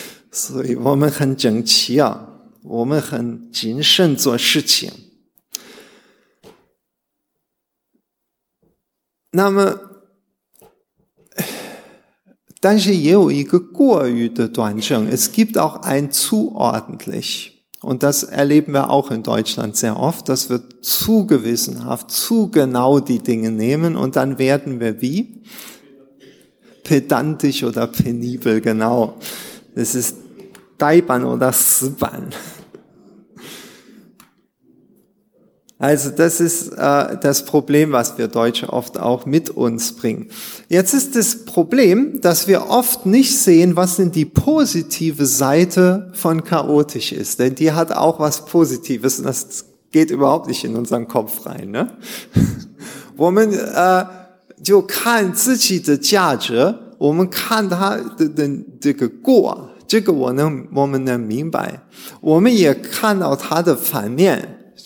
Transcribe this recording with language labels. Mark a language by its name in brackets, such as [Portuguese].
[Chinese] 所以我们很整齐啊，我们很谨慎做事情。那么，但是也有一个过于的端正。 [German] Es gibt auch ein zu ordentlich. Und das erleben wir auch in Deutschland sehr oft, dass wir zu gewissenhaft, zu genau die Dinge nehmen und dann werden wir wie? Pedantisch oder penibel, genau. Das ist Daiban oder Siban. Also das ist das Problem, was wir Deutsche oft auch mit uns bringen. Jetzt ist das Problem, dass wir oft nicht sehen, was denn die positive Seite von chaotisch ist. Denn die hat auch was Positives und das geht überhaupt nicht in unseren Kopf rein. Ne? [Chinese] 我们就看自己的价值，我们看它的这个过，这个我们能明白，我们也看到它的反面。